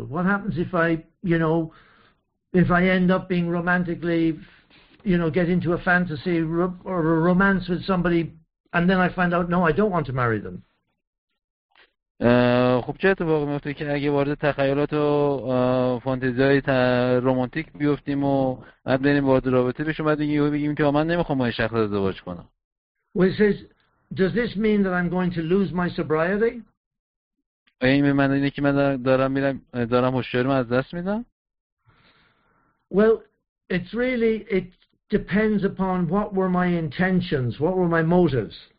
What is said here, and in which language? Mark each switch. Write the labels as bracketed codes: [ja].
[en] What happens if I, you know, if I end up being romantically, you know, get into a fantasy or a romance with somebody and then I find out no, I don't want to marry them. [fa] خب چه اتفاقی میفته که اگه وارد تخیلات و فانتزی های رومانتیک بیفتیم و بعد بریم وارد رابطه بشیم بعد یه بگیم که من نمیخوام با این شخص ازدواج کنم. [en] Well, it says, does this mean that I'm going to lose my sobriety? [fa] آیا این به معنی اینه که من دارم هوشیاریم از دست میدم؟ [en] Well, it's really, it depends upon what were my intentions, what were my motives.